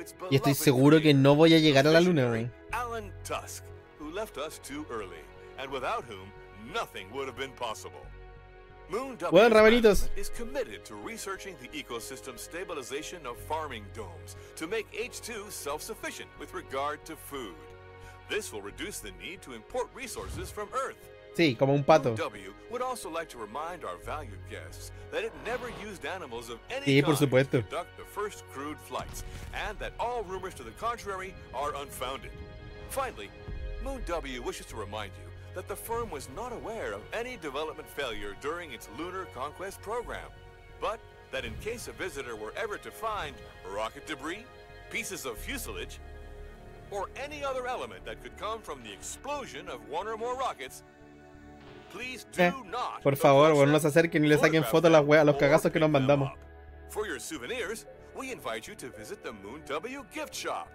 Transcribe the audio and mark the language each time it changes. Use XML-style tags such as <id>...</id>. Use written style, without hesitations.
<es>Y estoy seguro que no voy a llegar a la luna, güey.</es> <en>Alan Tusk, who left us too early, and without whom nothing would have been possible. Moon W is committed to researching the ecosystem stabilization of farming domes to make H2 self-sufficient with regard to food. This will reduce the need to import resources from Earth.</en> <es>Sí, como un pato.</es> <en>W would also like to remind our valued guests that it never used animals of any kind to conduct the first crewed flights, and that all rumors to the contrary are unfounded. Finally, Moon W wishes to remind you that the firm was not aware of any development failure during its lunar conquest program, but that in case a visitor were ever to find rocket debris, pieces of fuselage, or any other element that could come from the explosion of one or more rockets, please do not.</en> <es>Por favor, bueno, no se acerquen ni le saquen foto a las weas, a los cagazos que nos mandamos.</es> <en>For your souvenirs, we invite you to visit the Moon W gift shop.</en>